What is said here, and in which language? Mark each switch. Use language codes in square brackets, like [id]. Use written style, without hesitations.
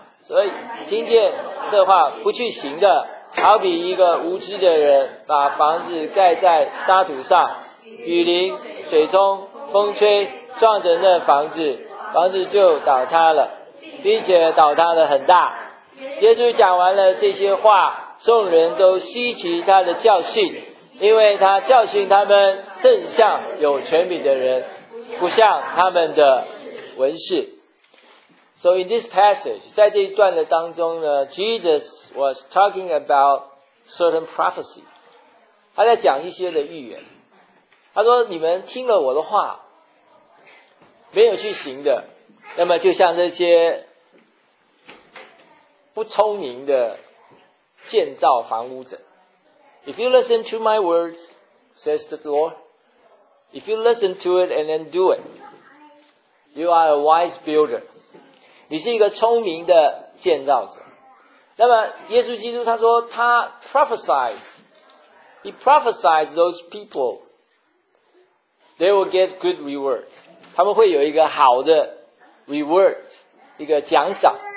[zh] 所以听见这话不去行的，好比一个无知的人把房子盖在沙土上，雨淋水冲风吹撞着那房子，房子就倒塌了，并且倒塌得很大。耶稣讲完了这些话，众人都稀奇他的教训，因为他教训他们正像有权柄的人，不像他们的文士。 [en] So in this passage, [zh] 在这一段的当中呢， [en] Jesus was talking about certain prophecy. [zh] 他在讲一些的预言。他说你们听了我的话没有去行的，那么就像这些不聪明的建造房屋者。 [en] If you listen to my words, says the Lord, if you listen to it and then do it, you are a wise builder. [zh] 你是一个聪明的建造者。那么耶稣基督他说他 [en] prophesies those people, they will get good rewards. [zh] 他们会有一个好的 reward, 一个奖赏。